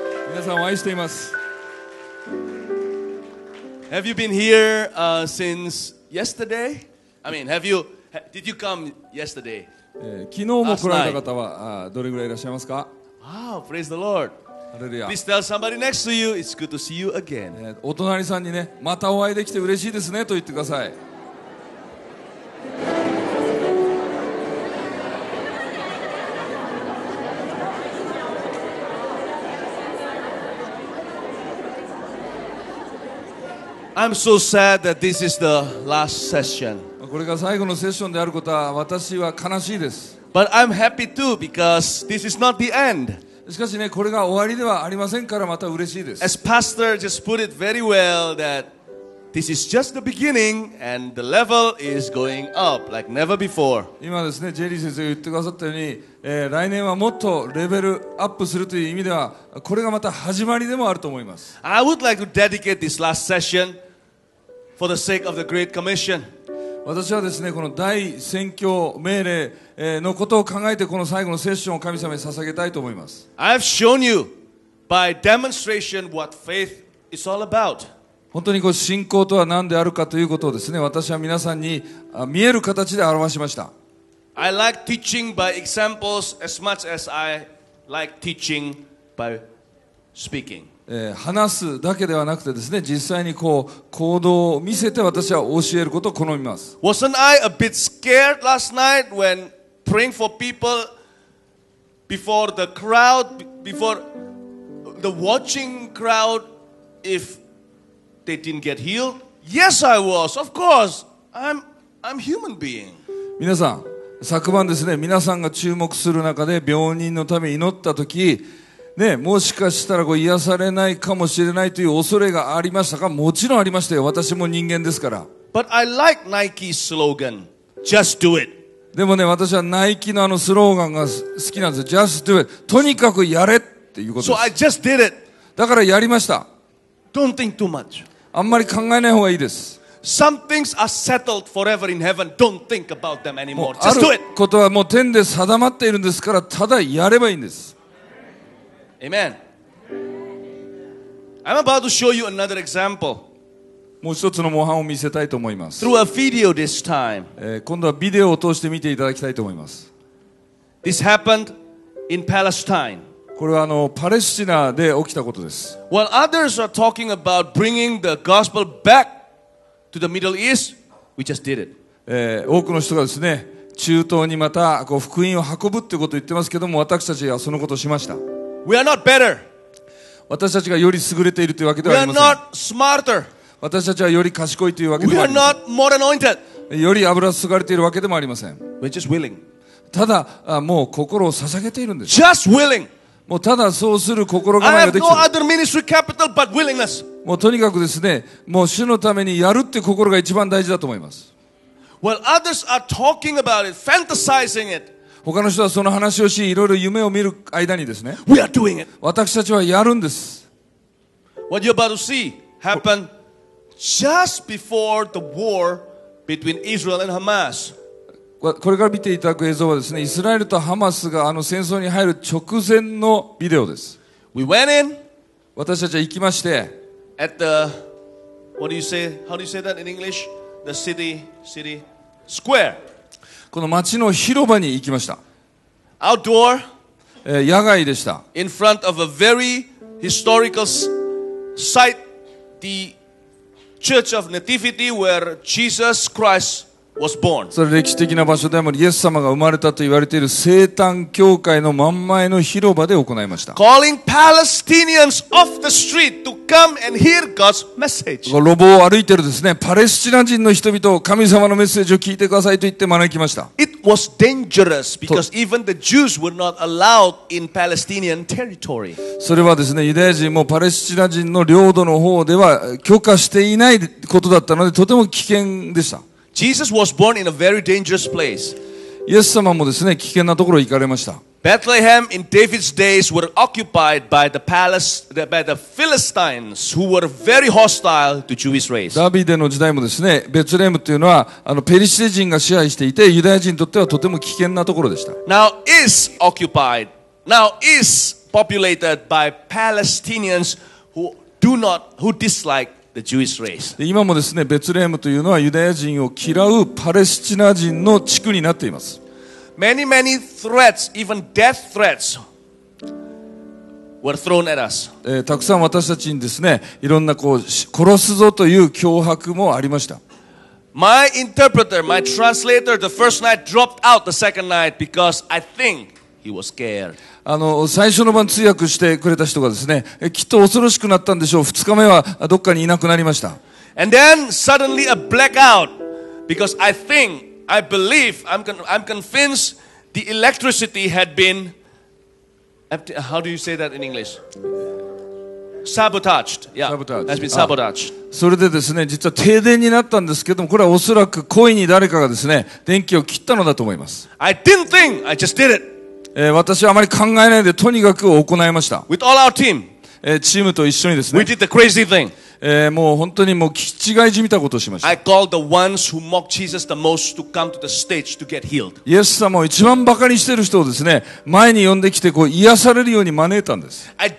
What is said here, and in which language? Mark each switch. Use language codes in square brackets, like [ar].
[ja] 皆さんを愛しています。 [en] Have you been here since yesterday? I mean, did you come yesterday? [ja] 昨日も来られた方はどれぐらいいらっしゃいますか？ [en] Oh, praise the Lord. Hallelujah. Please tell somebody next to you, it's good to see you again. [ja] お隣さんにね、またお会いできて嬉しいですねと言ってください。 [en] I'm so sad that this is the last session. [ja] これが最後のセッションであることは私は悲しいです。 [en] But I'm happy too because this is not the end. [ja] しかしね、これが終わりではありませんからまた嬉しいです。 [en] As pastor just put it very well that this is just the beginning and the level is going up like never before. [ja] 今ですね、ジェリー先生が言ってくださったように、来年はもっとレベルアップするという意味ではこれがまた始まりでもあると思います。 [en] I would like to dedicate this last session for the sake of the Great Commission. [ja] 私はですね、この大宣教命令のことを考えてこの最後のセッションを神様に捧げたいと思います。 [en] I've shown you by demonstration what faith is all about. [ja] 本当にこう信仰とは何であるかということをですね、私は皆さんに見える形で表しました。 [en] I like teaching by examples as much as I like teaching by speaking. [ja] 話すだけではなくてですね、実際にこう行動を見せて私は教えることを好みます。 [en] Wasn't I a bit scared last night when praying for people before the crowd, before the watching crowd, if they didn't get healed? Yes, I was. Of course. I'm human being. [ja] 皆さん、昨晩ですね、皆さんが注目する中で病人のため祈った時、ね、もしかしたらこう癒されないかもしれないという恐れがありましたか？もちろんありましたよ。私も人間ですから。 [en] But I like Nike's slogan. Just do it. [ja] でもね、私はナイキのあのスローガンが好きなんです。 [en] Just do it. [ja] とにかくやれっていうことです。 [en] So I just did it. [ja] だからやりました。 [en] Don't think too much. [ja] あんまり考えない方がいいです。 [en] Some things are settled forever in heaven. Don't think about them anymore. Just do it. [ja] あることはもう天で定まっているんですから、ただやればいいんです。 [en] Amen. I'm about to show you another example. [ja] もう一つの模範を見せたいと思います。 [en] Through a video this time. [ja] 今度はビデオを通して見ていただきたいと思います。 [en] This happened in Palestine. [ja] これはパレスチナで起きたことです。 [en] While others are talking about bringing the gospel back to the Middle East, we just did it. [ja] 多くの人がですね、中東にまたこう福音を運ぶってことを言ってますけども、私たちはそのことをしました。 [en] We are not better. [ja] 私たちがより優れているというわけではありません。 [en] We are not smarter. [ja] 私たちはより賢いというわけではありません。 [en] We are not more anointed. [ja] より油注がれているわけでもありません。 [en] We're just willing. [ja] ただ、もう心を捧げているんです。 [en] Just willing. [ja] もうただそうする心構えができた。 [en] I have no other ministry capital but willingness. [ja] もうとにかくですね、もう主のためにやるって心が一番大事だと思います。 [en] Well, others are talking about it, fantasizing it. [ja] 他の人はその話をし、いろいろ夢を見る間にですね、 [en] We are doing it. [ja] 私たちはやるんです。 [en] What you're about to see happen just before the war between Israel and Hamas. [ja] これから見ていただく映像はですね、イスラエルとハマスがあの戦争に入る直前のビデオです。 [en] We went in, [ja] 私たちは行きまして、 [en] at the, what do you say, how do you say that in English? The city, city square. [ja] この街の広場に行きました。 [en] Outdoor, [ja] 野外でした。 [en] In front of a very historical site, the Church of Nativity where Jesus Christ. Was born. [ja] それ歴史的な場所でもイエス様が生まれたと言われている聖誕教会の真ん前の広場で行いました。 [en] Calling Palestinians off the street to come and hear God's message. [ja] ロボを歩いてるですね、パレスチナ人の人々を神様のメッセージを聞いてくださいと言って招きました。 [en] It was dangerous because even the Jews were not allowed in Palestinian territory. [ja] それはですね、ユダヤ人もパレスチナ人の領土の方では許可していないことだったので、とても危険でした。 [en] Jesus was born in a very dangerous place. [ja] イエス様もですね、危険なところに行かれました。 [en] Bethlehem in David's days were occupied by the palace, by the Philistines who were very hostile to Jewish race. [ja] ダビデの時代もですね、ベツレヘムというのはあのペリシテ人が支配していて、ユダヤ人にとってはとても危険なところでした。 [en] Now is occupied. Now is populated by Palestinians who do not, who dislike. The Jewish race. [ja] 今もですね、ベツレヘムというのはユダヤ人を嫌うパレスチナ人の地区になっています。 [en] Many, many threats, even death threats, were thrown at us. [ja] たくさん私たちにですね、いろんなこう殺すぞという脅迫もありました。 [en] My interpreter, my translator, the first night dropped out the second night because I think he was scared. [ja] あの最初の晩通訳してくれた人がですね、きっと恐ろしくなったんでしょう。二日目はどっかにいなくなりました。 [en] And then suddenly a blackout because I think, I believe, I'm convinced the electricity had been, how do you say that in English? Sabotaged. Yeah, sabotaged. Has been sabotaged. [ja] それでですね、実は停電になったんですけども、これはおそらく故意に誰かがですね、電気を切ったのだと思います。 [en] I didn't think, I just did it. [ja] 私はあまり考えないでとにかく行いました。 [en] With all our team. [ja] チームと一緒にですね。 [en] We did the crazy thing. [ja] もう本当にもう聞き違いじみたことをしました。 [en] I called the ones who mocked Jesus the most to come to the stage to get healed. [ja] イエス様を一番バカにしている人をですね、前に呼んできてこう癒されるように招いたんです。